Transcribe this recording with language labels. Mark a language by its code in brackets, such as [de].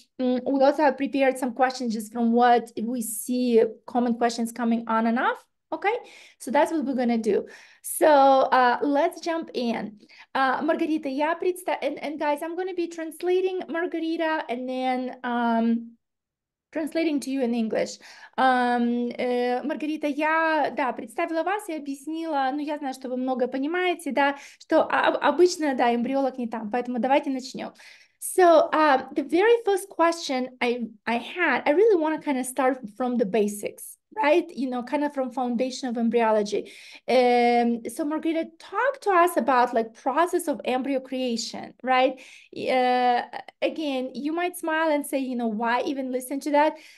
[en] We also have prepared some questions just from what we see common questions coming on and off. Okay, so that's what we're going to do. So let's jump in. Margarita, [ru] я представ... [en] and guys, I'm going to be translating Margarita and then translating to you in English. [ru] Маргарита, я да, представила вас и объяснила, ну, я знаю, что вы много понимаете, да, что обычно, да, эмбриолог не там, поэтому давайте начнем. [en] So the very first question I had, I really want to kind of start from the basics. Right, you know, kind of from foundation of embryology. So Margarita, talk to us about like process of embryo creation, right? Again, you might smile and say, you know, why even listen to that?